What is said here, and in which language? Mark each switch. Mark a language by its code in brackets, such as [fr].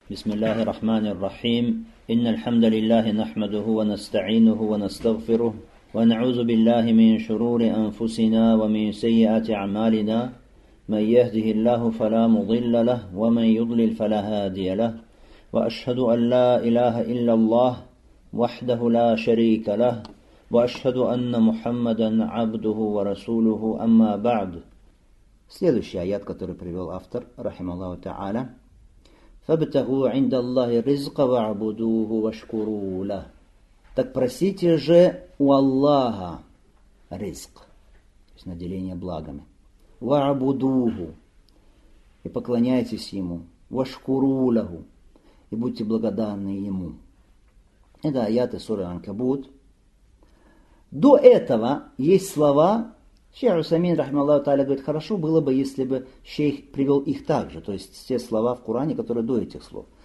[ar] بسم الله الرحمن الرحيم إن الحمد لله نحمده ونستعينه ونستغفره ونعوذ بالله من شرور أنفسنا ومن سيئات أعمالنا من يهده الله فلا مضل له ومن يضلل فلا هادي له وأشهد أن لا إله إلا الله وحده لا شريك له وأشهد أن محمدا عبده ورسوله أما بعد. [ru] Следующий аят, который привел автор, [ar] رحمه الله تعالى. فابتغوا عند الله الرزق واعبدوه واشكروا له. [ru] Так просите же у Аллаха риск, то есть наделение благами. Ва'абудуху, и поклоняйтесь ему. Ва'шкуру лаху, и будьте благодарны ему. Это аяты суры Анкабут. До этого есть слова, шейх Усаймин, рахмаллаху та'аля, говорит, хорошо было бы, если бы шейх привел их также, то есть те слова в Коране, которые до этих слов.